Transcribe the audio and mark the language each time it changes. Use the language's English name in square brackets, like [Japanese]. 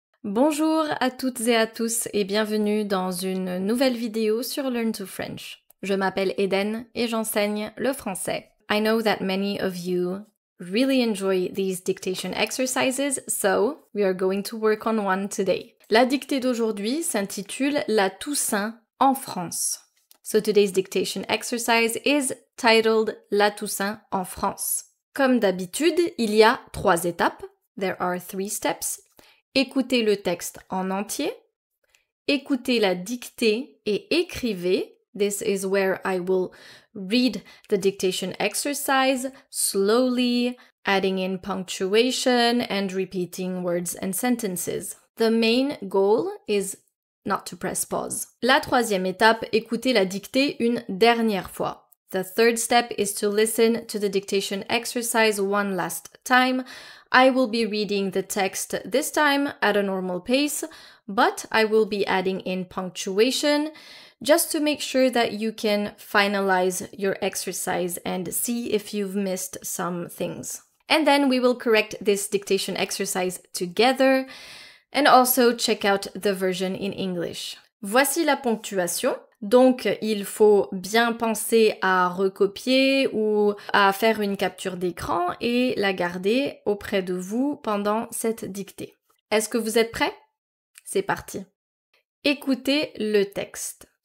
[French] Bonjour à toutes et à tous et bienvenue dans une nouvelle vidéo sur Learn to French. Je m'appelle Eden et j'enseigne le français. [English] I know that many of you really enjoy these dictation exercises, so we are going to work on one today. [French] La dictée d'aujourd'hui s'intitule La Toussaint en France. [English] So today's dictation exercise is titled La Toussaint en France. [French] Comme d'habitude, il y a trois étapes. [English] There are three steps. [French] Écoutez le texte en entier. Écoutez la dictée et écrivez. [English] This is where I will read the dictation exercise slowly, adding in punctuation and repeating words and sentences. The main goal is not to press pause. [French] La troisième étape, écoutez la dictée une dernière fois. [English] The third step is to listen to the dictation exercise one last time. I will be reading the text this time at a normal pace, but I will be adding in punctuation just to make sure that you can finalize your exercise and see if you've missed some things. And then we will correct this dictation exercise together and also check out the version in English. [French] Voici la ponctuation. Donc, il faut bien penser à recopier ou à faire une capture d'écran et la garder auprès de vous pendant cette dictée. Est-ce que vous êtes prêts? C'est parti. Écoutez le texte.